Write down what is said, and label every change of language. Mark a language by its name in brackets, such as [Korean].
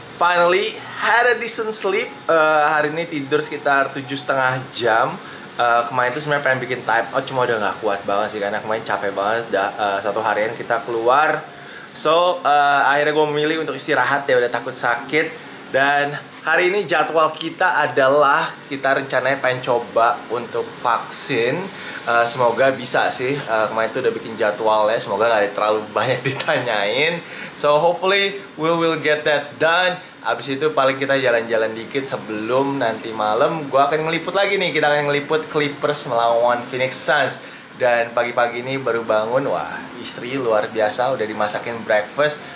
[English] Finally, had a decent sleep. [Indonesian] Hari ini tidur sekitar 7,5 jam. Kemarin tuh sebenarnya pengen bikin time out, cuma udah gak kuat banget sih. Karena kemarin capek banget, satu harian kita keluar. So, akhirnya gue memilih untuk istirahat ya, udah takut sakit. Dan hari ini jadwal kita adalah kita rencananya pengen coba untuk vaksin. Semoga bisa sih, kemarin tuh udah bikin jadwalnya, semoga gak terlalu banyak ditanyain. [English] So hopefully we will get that done. [Indonesian] Abis itu paling kita jalan-jalan dikit sebelum nanti malam gue akan ngeliput lagi nih. Kita akan ngeliput Clippers melawan Phoenix Suns. Dan pagi-pagi ini baru bangun, wah istri luar biasa, udah dimasakin breakfast.